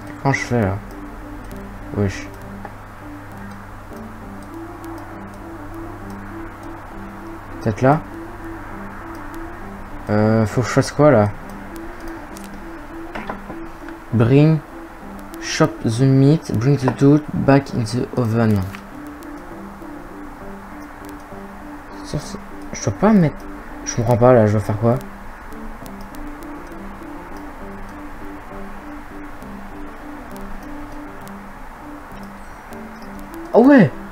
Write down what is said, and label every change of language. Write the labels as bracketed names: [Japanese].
[French] Je fais là, wesh. Peut-être là, faut que je fasse quoi là? [English] Bring chop the meat, bring the dough back in the oven. [French] Ça, je dois pas mettre, je comprends pas là, je dois faire quoi? Ah ouais!